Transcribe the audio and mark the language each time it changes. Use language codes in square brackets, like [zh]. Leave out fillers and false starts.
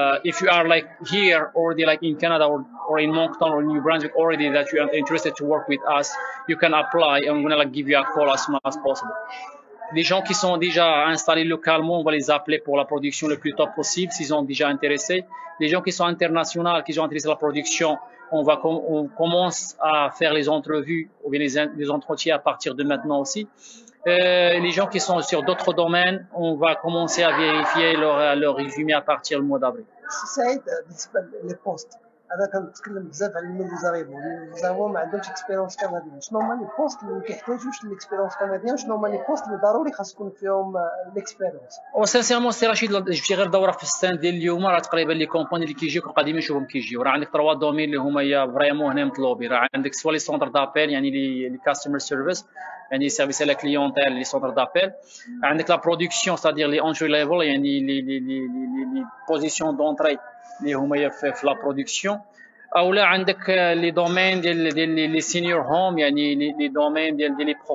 [en] If you are like here already, like in Canada or in Moncton or New Brunswick already, that you are interested to work with us, you can apply, and we're gonna like give you a call as soon as possible. [fr] Les gens qui sont déjà installés localement, on va les appeler pour la production le plus tôt possible s'ils ont déjà intéressé. Les gens qui sont internationaux, qui ont intéressé la production, on commence à faire les entrevues ou bien les entretiens à partir de maintenant aussi. Les gens qui sont sur d'autres domaines, on va commencer à vérifier leur résumé à partir du mois d'avril. C'est ça, les postes. [ar] هذا كنتكلم بزاف على الميزاريبو زعما ما عندهمش اكسبيريونس كنديا شنو هما لي بوست اللي كيحتاجوش الاكسبيريونس كنديا شنو هما لي بوست اللي ضروري خاص يكون فيهم الاكسبيريونس او سينسيرمون سي رشيد جبتي غير دوره في الستاند ديال اليوم راه تقريبا لي كومباني اللي كيجيوك القديمين نشوفهم كيجيو راه عندك 3 دومين اللي هما يا فريمون هنا مطلوبين راه عندك سوا لي سونتر دابيل يعني لي كاستمر سيرفيس يعني سيرفيس لا كليونتيل لي سونتر دابيل عندك لا برودكسيون سادير لي اونتري ليفل يعني لي بوزيسيون دونتري اللي هما في لا برودكسيون اولا عندك لي دومين ديال لي سينيور هوم يعني لي دومين ديال لي